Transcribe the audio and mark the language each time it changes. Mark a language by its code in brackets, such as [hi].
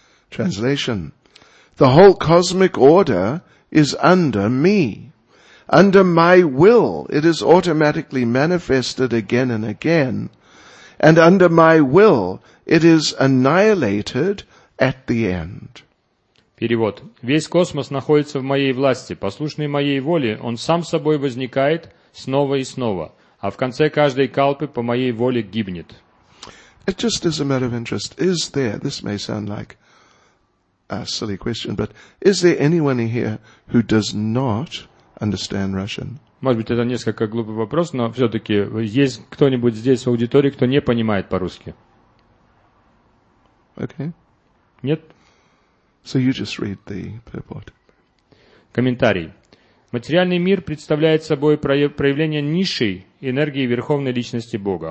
[en] Translation: the whole cosmic order is under me. Under my will, it is automatically manifested again and again, and under my will, it is annihilated at the end. [ru] Перевод. Весь космос находится в моей власти. Послушный моей воле, он сам собой возникает снова и снова, а в конце каждой калпы по моей воле гибнет. [en] It just is a matter of interest. Is there, this may sound like a silly question, but is there anyone here who does not understand Russian? [ru] Может быть, это несколько глупый вопрос, но все-таки есть кто-нибудь здесь в аудитории, кто не понимает по-русски? [en] Okay. [ru] Нет? [en] So you just read the purport. [ru] Комментарий. Материальный мир представляет собой проявление низшей энергии Верховной Личности Бога.